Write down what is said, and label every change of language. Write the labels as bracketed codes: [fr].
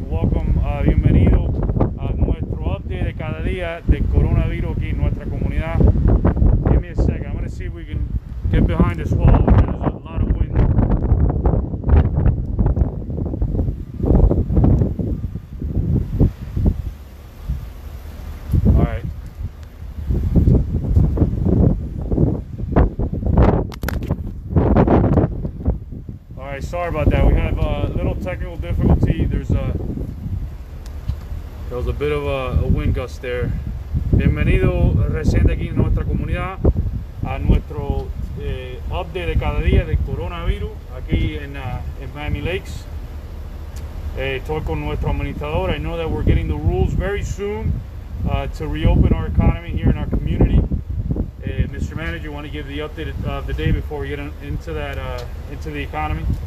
[en] Welcome, [es] bienvenido a nuestro update de cada día de coronavirus aquí en nuestra comunidad. [en] Give me a second. I'm going to see if we can get behind this wall. There's a lot of wind. Sorry about that. We have a little technical difficulty. There was a bit of a wind gust there. [es] Bienvenido recién aquí en nuestra comunidad a nuestro update de cada día de coronavirus aquí en Miami Lakes. Estoy con nuestro administrador. [en] I know that we're getting the rules very soon to reopen our economy here in our community. Mr. Manager, you want to give the update of the day before we get into the economy?